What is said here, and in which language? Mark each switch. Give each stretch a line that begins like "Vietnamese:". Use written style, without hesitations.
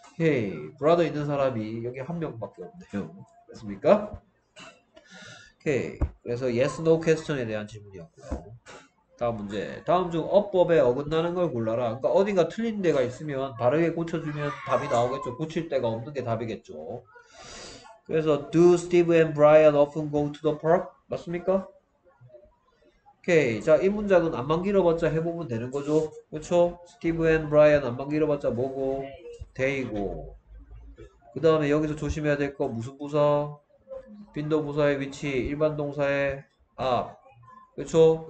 Korean: Hey, brother 있는 사람이 여기 한 명밖에 없네요. 됐습니까? Okay. 그래서 yes, no question에 대한 질문이었고요. 다음 문제. 다음 중 어법에 어긋나는 걸 골라라. 그러니까 어딘가 틀린 데가 있으면 바르게 고쳐주면 답이 나오겠죠. 고칠 데가 없는 게 답이겠죠.
English: 그래서 Do Steve and Brian often go to the park?
Korean: 맞습니까? 오케이. 자, 이 문장은 안만 길어봤자 해보면 되는 거죠. 그렇죠? Steve and Brian 안만 길어봤자 뭐고? 데이고. 그 다음에 여기서 조심해야 될거 무슨 부사? 빈도 부사의 위치, 일반 동사의 앞. 그렇죠?